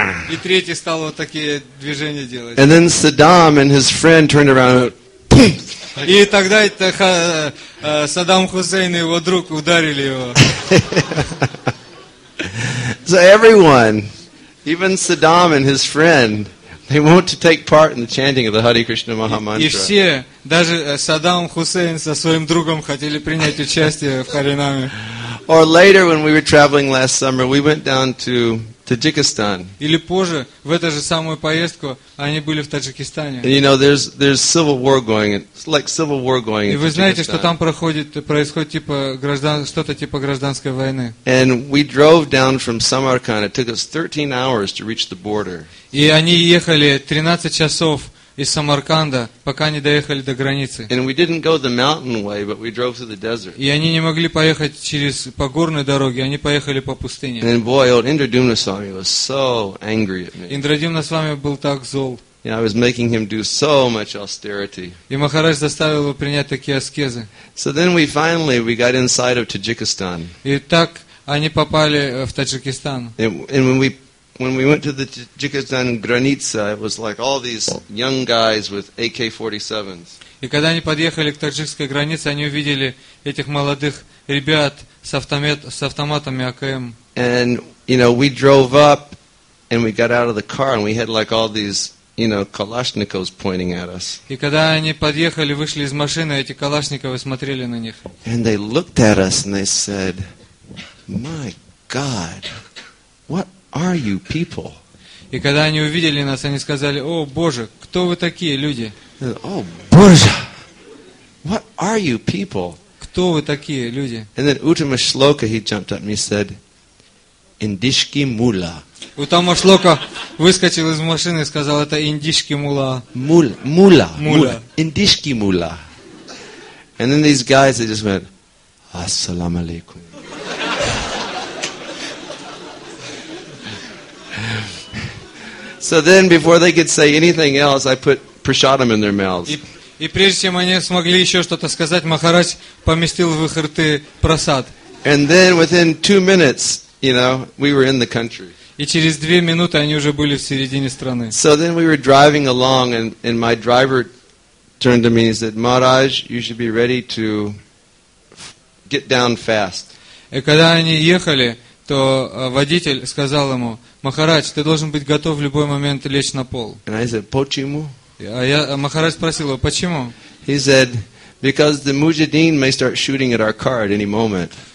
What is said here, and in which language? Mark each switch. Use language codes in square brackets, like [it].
[ru] И третий стал вот такие движения делать. [en] And then Saddam and his friend turned around. [ru] И тогда Саддам Хусейн и его друг ударили его. [en] So everyone, even Saddam and his friend, they want to take part in the chanting of the Hare Krishna Maha Mantra. [ru] И все, даже Саддам Хусейн со своим другом хотели принять участие в Харинаме. [en] Or later, when we were traveling last summer, we went down to Tajikistan. [ru] Или позже в эту же самую поездку они были в Таджикистане. [en] You know, there's civil war going. It's like civil war going in Tajikistan. [ru] И вы знаете, что там происходит типа что-то типа гражданской войны. [en] And we drove down from Samarkand. It took us 13 hours to reach the border. [ru] И они ехали 13 часов из Самарканда, пока не доехали до границы. [en] And we didn't go the mountain way, but we drove through the desert. [ru] И они не могли поехать через по горной дороге, они поехали по пустыне. [en] And boy, old Indradumna Swami was so angry at me. [ru] Индрадюмна с вами был так зол. [en] Yeah, I was making him do so much austerity. [ru] И Махарадж заставил его принять такие аскезы. [en] So then we got inside of Tajikistan. [ru] И так они попали в Таджикистан. [en] When we went to the Tajikistan granitsa, it was like all these young guys with AK-47s. [ru] И когда они подъехали к таджикской границе, они увидели этих молодых ребят с автоматами АКМ. [en] And you know, we drove up and we got out of the car and we had like all these, you know, Kalashnikovs pointing at us. [ru] И когда они подъехали, вышли из машины, эти Калашниковы смотрели на них. [en] And they looked at us and they said, "My God, what are you people?" [ru] И когда они увидели нас, они сказали: "О, Боже, кто вы такие люди?" "О, Боже, [en] what are you people?" [ru] Кто вы такие люди? [en] And then Uttama Shloka, he jumped up and he said, "Indishki mula." [ru] Uttama Shloka выскочил из машины и сказал: "Это индишки мула." Мула. Индишки мула. [en] And then these guys, they just went, "Assalamu alaikum." So then, before they could say anything else, I put prashadam in their mouths. [ru] И прежде чем они смогли еще что-то сказать, Махарадж поместил в их рты прасад. [en] And then, within 2 minutes, you know, we were in the country. [ru] И через 2 минуты они уже были в середине страны. [en] So then we were driving along, and my driver turned to me and said, "Maharaj, you should be ready to get down fast." [ru] И когда они ехали, то водитель сказал ему: "Махарадж, ты должен быть готов в любой момент лечь на пол." [en] And I said, [ru] "Почему?" Махарадж спросил его: "Почему?" [en] He said, "Because the mujahideen may start shooting at our car at any moment."